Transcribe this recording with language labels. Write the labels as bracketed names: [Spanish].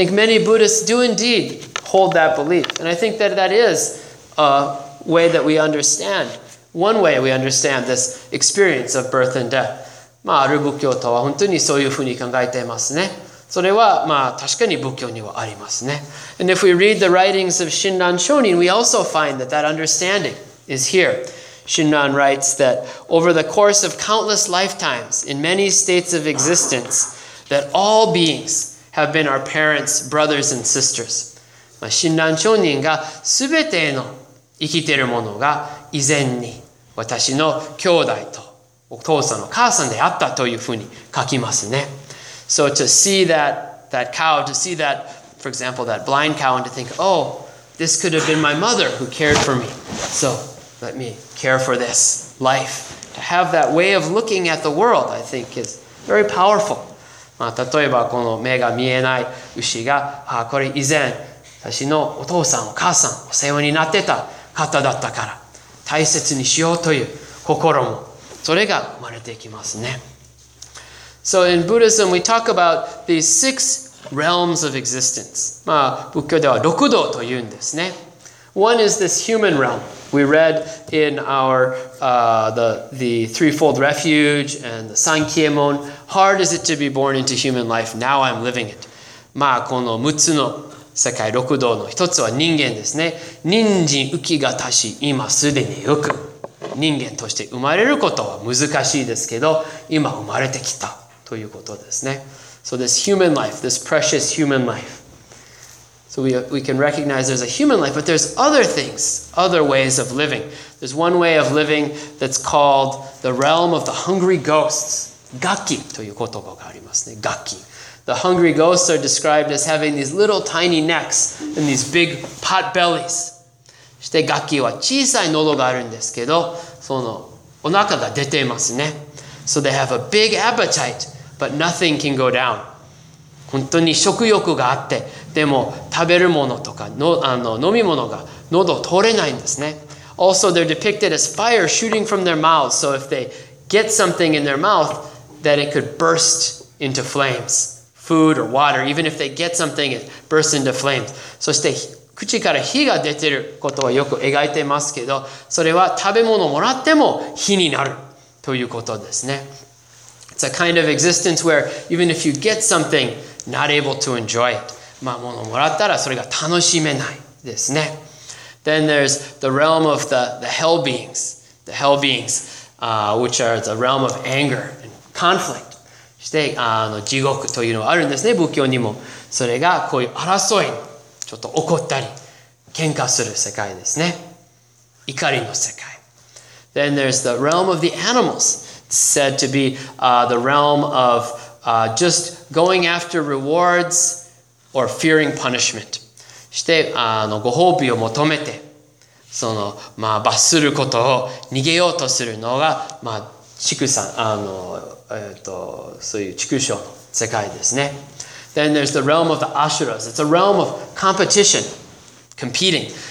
[English] I think many Buddhists do indeed hold that belief. And I think that that is a way that we understand, one way we understand this experience of birth and death. [Japanese] まあ、ある仏教徒は本当にそういうふうに考えていますね。それはまあ確かに仏教にはありますね。 [English] And if we read the writings of Shinran Shonin, we also find that that understanding is here. Shinran writes that over the course of countless lifetimes, in many states of existence, that all beings... have been our parents, brothers and sisters. [Japanese] まあ、親鸞聖人が全ての生きているものが以前に私の兄弟とお父さんの母さんであったというふうに書きますね。 [English] So to see that cow, to see that, for example, that blind cow, and to think, oh, this could have been my mother who cared for me. So let me care for this life. To have that way of looking at the world, I think, is very powerful. [Japanese] まあ、例えばこの目が見えない牛が、ああこれ以前私のお父さんお母さんお世話になってた方だったから大切にしようという心もそれが生まれていきますね。 [English] So in Buddhism we talk about these six realms of existence. [Japanese] まあ仏教では六道というんですね。 [English] One is this human realm. We read in our the threefold refuge and the Sankyemon. Hard is it to be born into human life? Now I'm living it. [Japanese] まあこの6つの世界六道の一つは人間ですね。人人浮きがたし今すでによく人間として生まれることは難しいですけど今生まれてきたということですね。 [English] So this human life, this precious human life. So we can recognize there's a human life, but there's other things, other ways of living. There's one way of living that's called the realm of the hungry ghosts. [Japanese] Gaki という言葉がありますね。Gaki. [English] The hungry ghosts are described as having these little tiny necks and these big pot bellies. [Japanese] そして Gaki は小さい喉があるんですけど、そのお腹が出ていますね。 [English] So they have a big appetite, but nothing can go down. [Japanese] 本当に食欲があって、でも食べるものとかの、飲み物が喉通れないんですね。 [English] Also, they're depicted as fire shooting from their mouths. So if they get something in their mouth, then it could burst into flames. Food or water, even if they get something, it bursts into flames. [Japanese] そして口から火が出てることはよく描いてますけど、それは食べ物をもらっても火になるということですね。 [English] It's a kind of existence where even if you get something, not able to enjoy it. [Japanese] まあ物をもらったらそれが楽しめないですね。 [English] Then there's the realm of the hell beings. The hell beings, which are the realm of anger and conflict. [Japanese] そして地獄というのがあるんですね、仏教にも。それがこういう争い、ちょっと怒ったり、喧嘩する世界ですね。怒りの世界。 [English] Then there's the realm of the animals. It's said to be the realm of just going after rewards or fearing punishment. [Japanese] してご褒美を求めて、罰することを逃げようとするのが、そういう畜生の世界ですね。 [English] Then there's the realm of the Asuras. It's a realm of competition, competing.